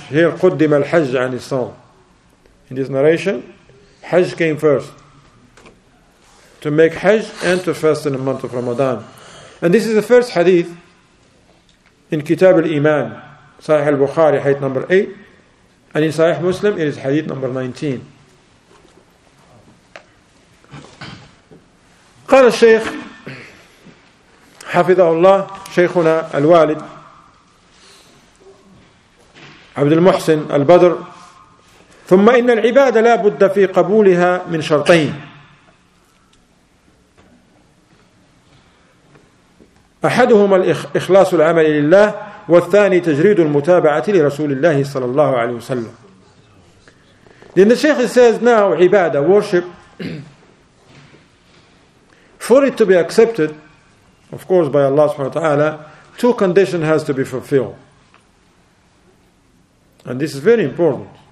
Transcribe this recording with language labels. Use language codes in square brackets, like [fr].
[en] Here, [ar] Quddim al-hajj an isam. [en] In this narration, hajj came first. To make hajj and to fast in the month of Ramadan. And this is the first hadith in Kitab al-Iman, Sahih al-Bukhari, hadith number 8. And in Sahih Muslim, it is hadith number 19. [ar] قال الشيخ حفظه الله شيخنا الوالد عبد المحسن البدر ثم إن العبادة لا بد في قبولها من شرطين أحدهما الإخلاص العمل لله والثاني تجريد المتابعة لرسول الله صلى الله عليه وسلم. [en] Then the Sheikh says now عبادة worship. For it to be accepted, of course, by Allah subhanahu wa ta'ala, two conditions has to be fulfilled. And this is very important.